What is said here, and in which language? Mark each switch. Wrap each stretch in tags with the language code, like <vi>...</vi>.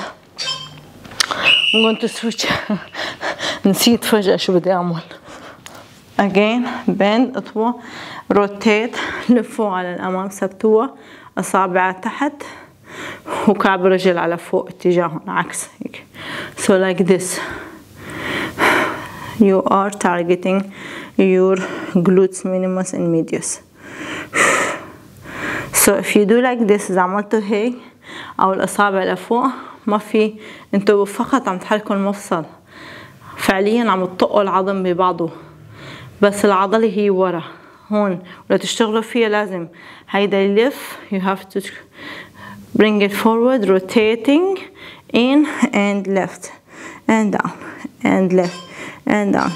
<en>I'm going to switch.</en> <ar>نسيت فجأة شو بدي أعمل.</ar> <en>Again bend</en> <ar>اطوى</ar> <en>rotate</en> <ar>لفوا على الأمام ثبتوا أصابع تحت وكعب رجل على فوق اتجاههم عكس هيك.</ar> <en>So like this you are targeting your glutes minimus and medius. So if you do like this</en> <ar>إذا عملتوا هيك أو الأصابع لفوق ما في، أنتوا فقط عم تحركوا المفصل، فعليا عم تطقوا العظم ببعضه بس العضلة هي ورا هون، ولتشتغلوا فيها لازم هيدا يلف،</ar> <en>you have to bring it forward rotating in and left and down and left and down.</en>